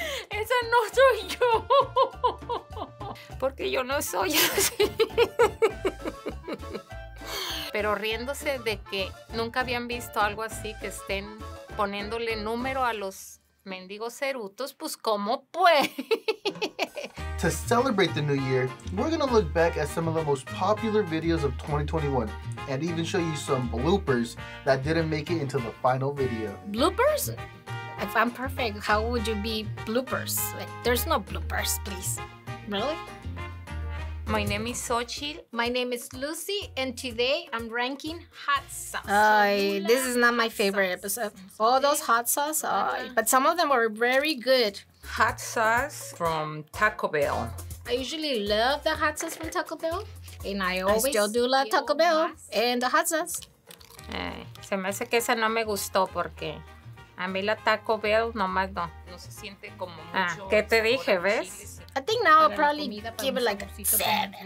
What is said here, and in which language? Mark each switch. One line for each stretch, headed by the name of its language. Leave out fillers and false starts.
Spanish: Esa no soy yo. Porque yo no soy así. Pero riéndose de que nunca habían visto algo así, que estén poniéndole número a los mendigos erutos, pues ¿cómo pues?
English: To celebrate the new year, we're gonna look back at some of the most popular videos of 2021 and even show you some bloopers that didn't make it into the final video. Bloopers? If I'm perfect, how would you be bloopers? Like, there's no bloopers, please. Really? My name is Xochitl. My name is Lucy, and today I'm ranking hot sauce. This is not my favorite episode. All those hot sauce, but some of them were very good. Hot sauce from Taco Bell. I usually love the hot sauce from Taco Bell, and I still do love Taco Bell and the hot sauce.
Spanish: Se me hace que esa no me gustó porque a mí la Taco Bell nomás no. No se siente como mucho. Ah, ¿qué te dije, ves?
English: I think now I'll probably give it like a 7.